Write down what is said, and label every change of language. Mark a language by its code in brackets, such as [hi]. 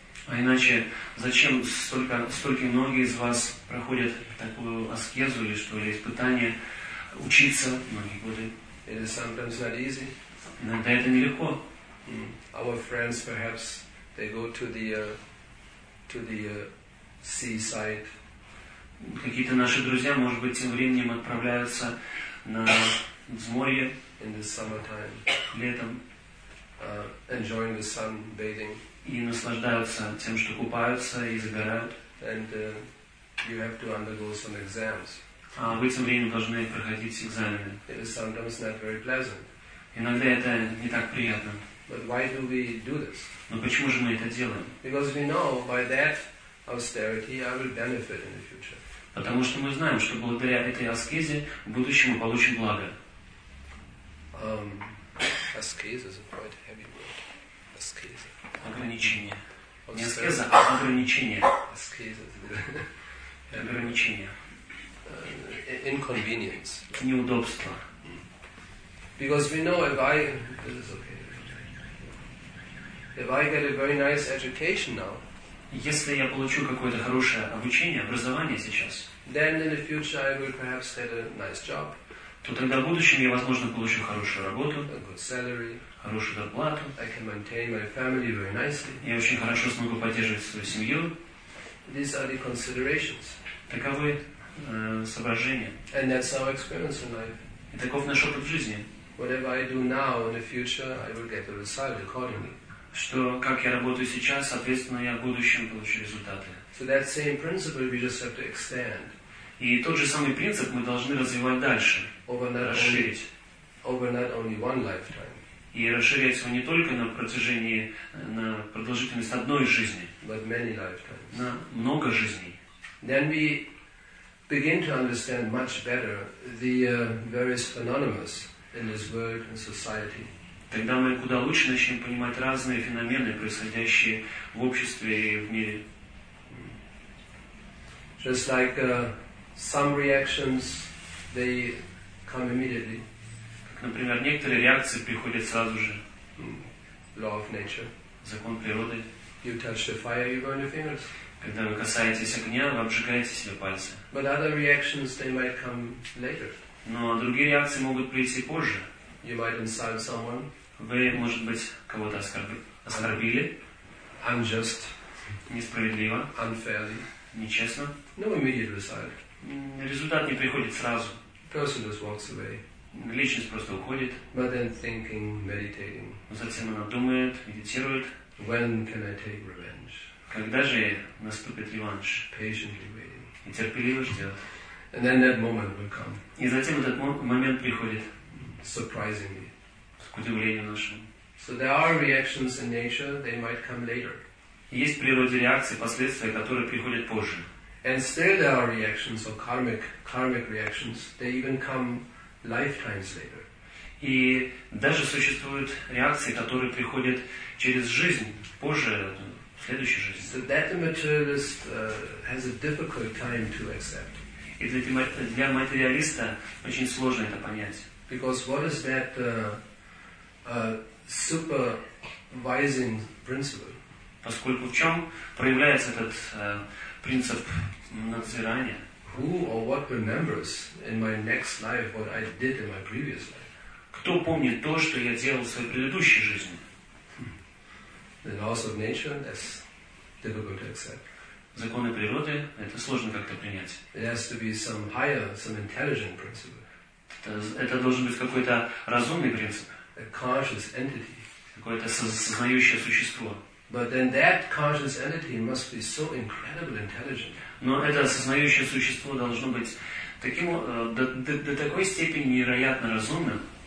[ru] А иначе зачем столько многие из вас проходят такую аскезу или что ли испытание учиться многие годы? [en] It is sometimes not easy. [ru] Иногда это нелегко. [en] Our friends perhaps they go to the seaside. [ru] Какие-то наши друзья, может быть, тем временем отправляются на взморье [en] in the summertime. [ru] Летом. [en] Enjoying the sun, bathing. [ru] И наслаждаются тем, что купаются и загорают. [en] And you have to undergo some exams. [ru] А вы тем временем должны проходить экзамены. [en] It is sometimes not very pleasant. [ru] Иногда это не так приятно. [en] But why do we do this? [ru] Но почему же мы это делаем? [en] Because we know by that austerity I will benefit in the future. [ru] Потому что мы знаем, что благодаря этой аскезе в будущем мы получим благо. [en] Аскеза is a quite heavy word. [ru] Аскеза. Ограничение. Не аскеза, а ограничение. Аскеза. Ограничение. [en] Inconvenience. [ru] Неудобство. [en] Because we know if I... This is okay. If I get a very nice education now, [ru] если я получу какое-то хорошее обучение, образование сейчас, [en] then in the future I will perhaps get a nice job. [ru] То тогда в будущем я, возможно, получу хорошую работу, [en] a good salary, [ru] хорошую зарплату, [en] I can maintain my family very nicely. [ru] Я очень хорошо смогу поддерживать свою семью. [en] These are the considerations. [ru] Таковы соображения. [en] And that's our experience in life. [ru] И таков наш опыт в жизни. [en] Whatever I do now in the future, I will get the result accordingly. [ru] Что, как я работаю сейчас, соответственно, я в будущем получу результаты. [en] So that same principle we just have to extend. [ru] И тот же самый принцип мы должны развивать дальше, [en] over not only one lifetime. [ru] И расширять его не только на продолжительность одной жизни, [en] but many lifetimes. [ru] На много жизней. [en] Then we begin to understand much better the various phenomena in this world and society. [ru] Тогда мы куда лучше начнем понимать разные феномены, происходящие в обществе и в мире. [en] Just like some reactions, they come immediately. [ru] Как, например, некоторые реакции приходят сразу же. [en] Law of nature. [ru] Закон природы. [en] You touch the fire, you burn your fingers. [ru] Когда вы касаетесь огня, вы обжигаете себе пальцы. [en] But other reactions, they might come later. [ru] Но другие реакции могут прийти позже. [en] You might insult someone. [ru] Вы, может быть, кого-то оскорбили. [en] Unjust. [ru] Несправедливо. [en] Unfairly. [ru] Нечестно. [en] No immediate result. [ru] Результат не приходит сразу. [en] Person just walks away. [ru] Личность просто уходит. [en] But then thinking, meditating. [ru] Затем она думает, медитирует. [en] When can I take revenge? [ru] Когда же наступит реванш? [en] Patiently waiting. [ru] И терпеливо ждет. [en] And then that moment will come. [ru] И затем этот момент приходит. [en] Surprisingly. [ru] С удивлением нашим. [en] So there are reactions in nature, they might come later. [ru] Есть в природе реакции, последствия, которые приходят позже. [en] And still there are reactions, or karmic reactions, they even come lifetimes later. [ru] И даже существуют реакции, которые приходят через жизнь, позже, в следующей жизни. [en] So that the materialist has a difficult time to accept. [ru] И для материалиста очень сложно это понять. [en] Because what is that supervising principle? [ru] Поскольку в чем проявляется этот принцип надзирания? [en] Who or what remembers in my next life what I did in my previous life? [ru] Кто помнит то, что я делал в своей предыдущей жизни? [en] The laws of nature, that's difficult to accept. [ru] Законы природы, это сложно как-то принять. [en] It has to be some higher, some intelligent principle. [ru] Это должен быть какой-то разумный принцип. [en] A conscious entity. [ru] Какое-то сознающее существо. [en] But then that conscious entity must be so incredibly intelligent. [ru] Но это сознающее существо должно быть таким, до такой степени невероятно разумным.